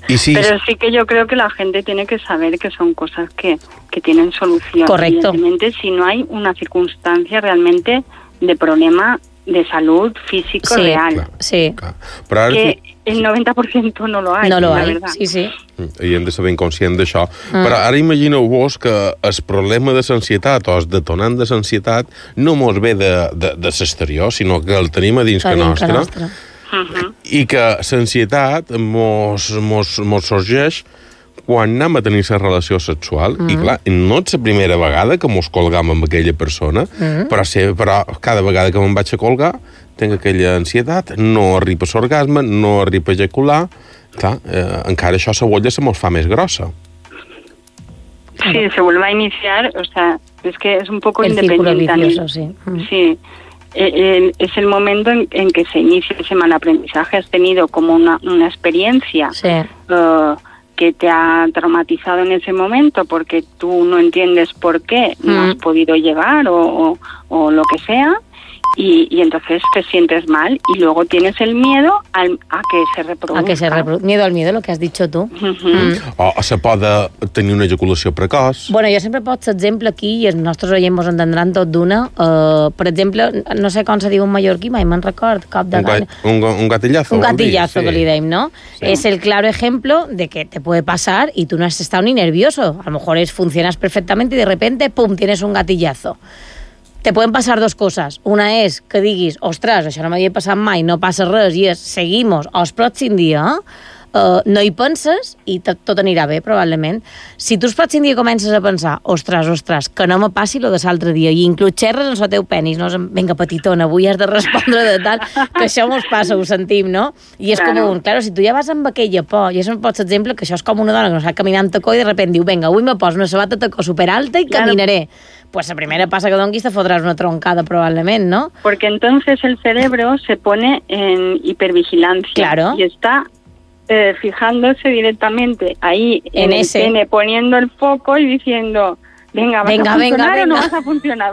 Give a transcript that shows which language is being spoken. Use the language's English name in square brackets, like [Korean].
[Spanish] Y si pero sí que yo creo que la gente tiene que saber que son cosas que tienen solución. Correcto. Evidentemente, si no hay una circunstancia realmente de problema de salud físico sí, real. Claro, sí, pero ahora que el 90% no lo hay. No lo la hay, verdad. Sí, sí. [Catalan] I hem de ser ben conscients d'això. Mm. Però ara imagineu-vos que el problema de l'ansietat o el detonant de l'ansietat no mos ve de l'exterior, sinó que el tenim a dins que nostre. Uh-huh. I que l'ansietat mos sorgeix quan anem a tenir la relació sexual. Mm. I clar, no és la primera vegada que mos colgam amb aquella persona, però cada vegada que me'n vaig a colgar tinc aquella ansietat, no arriba a l'orgasme, no arriba a ejacular... Clar, encara això se volia se mos fa més grossa. [Spanish] Sí, se vuelve a iniciar, o sea, es que es un poco el independiente. El círculo vicioso, sí. Sí, es el momento en que se inicia ese mal aprendizaje. Has tenido como una experiencia sí. Que te ha traumatizado en ese momento porque tú no entiendes por qué no has podido llegar o lo que sea, y entonces te sientes mal y luego tienes el miedo a que se reproduzca. A que se reproduzca. Miedo al miedo, lo que has dicho tú. Uh-huh. O se puede tener una ejaculació precoç. [Catalan] Bueno, jo sempre poso exemple aquí i els nostres oients mos entendran tot d'una. Per exemple, no sé com se diu en mallorquí, mai me'n record, cop de [Spanish] gana. Un gatillazo. [Catalan] Un gatillazo, sí. Que li deim, no? Sí. [Spanish] És el claro ejemplo de que te puede pasar y tú no has estado ni nervioso. A lo mejor funcionas perfectamente y de repente, pum, tienes un gatillazo. Te pueden pasar dos cosas. [Catalan] Una es que diguis, ostras, això no m'havia passat mai, no passa res, i és, seguimos, els pròxim dia, no hi penses i tot anirà bé, probablement. Si tu els pròxim dia comences a pensar, ostras, que no me passi lo de l'altre dia, i inclús xerres en el teu penis, no? Vinga, petitona, avui has de respondre de tal, que això mos passa, ho sentim, no? I és claro. Com un, claro, si tu ja vas amb aquella por, i és un pot ser exemple que això és com una dona que no sap caminar amb tacó i de repente diu, vinga, avui me poso una sabata tacó superalta i caminaré. [Spanish] Claro. Pues la primera pasa que donquista fotrás una troncada probablemente, ¿no? Porque entonces el cerebro se pone en hipervigilancia. Claro. Y está fijándose directamente ahí en ese. Tiene, poniendo el foco y diciendo, venga, ¿vas a funcionar o no vas a funcionar?